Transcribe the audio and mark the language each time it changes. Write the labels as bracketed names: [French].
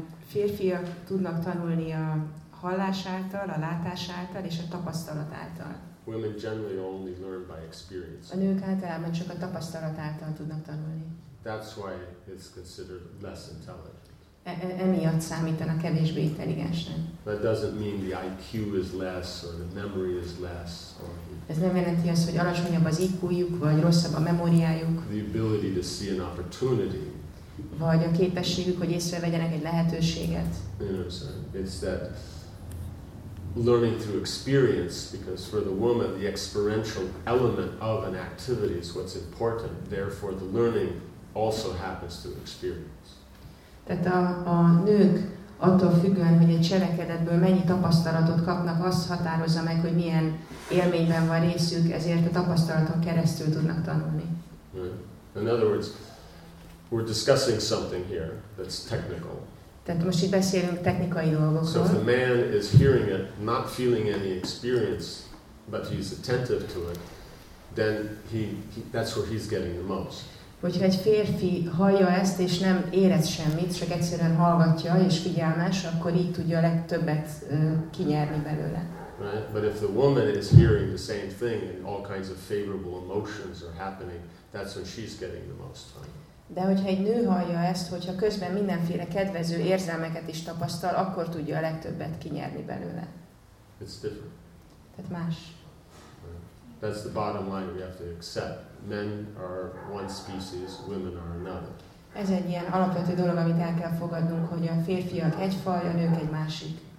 [Hungarian] Férfiak tudnak tanulni a hallás által, a látás által és a tapasztalat által. [English] Women generally only learn by experience. [Hungarian] A nők általában csak a tapasztalat által tudnak tanulni. [English] That's why it's considered less intelligent. [Hungarian] Emiatt számítanak kevésbé intelligensnek. [English] That doesn't mean the IQ is less or the memory is less. [Hungarian] Ez nem jelenti azt, hogy alacsonyabb az IQ-juk vagy rosszabb a memóriájuk. [English] The ability to see an opportunity. [Hungarian] Vagy a képességük, hogy észrevegyenek egy lehetőséget. [English] It's that learning through experience, because for the woman, the experiential element of an activity is what's important. Therefore, the learning also happens to experience. [Hungarian] Tehát a nők attól függően, hogy egy cselekedetből mennyi tapasztalatot kapnak, az határozza meg, hogy milyen élményben van részük, ezért a tapasztalaton keresztül tudnak tanulni. [English] Right. In other words, we're discussing something here that's technical. [Hungarian] Tehát most itt beszélünk technikai dolgokról. [English] So if a man is hearing it, not feeling any experience, but he's attentive to it, then he that's where he's getting the most. [Hungarian] Hogyha egy férfi hallja ezt, és nem érez semmit, csak egyszerűen hallgatja, és figyelmes, akkor így tudja a legtöbbet kinyerni belőle. [English] Right? But if the woman is hearing the same thing, and all kinds of favorable emotions are happening, that's when she's getting the most time. [Hungarian] De hogyha egy nő hallja ezt, hogyha közben mindenféle kedvező érzelmeket is tapasztal, akkor tudja a legtöbbet kinyerni belőle. [English] It's different. [Hungarian] Tehát más. [English] That's the bottom line we have to accept. Men are one species, women are another. [Hungarian] Ez egy ilyen alapvető dolog, amit el kell fogadnunk, hogy a férfiak egy faj, a nők egy másik.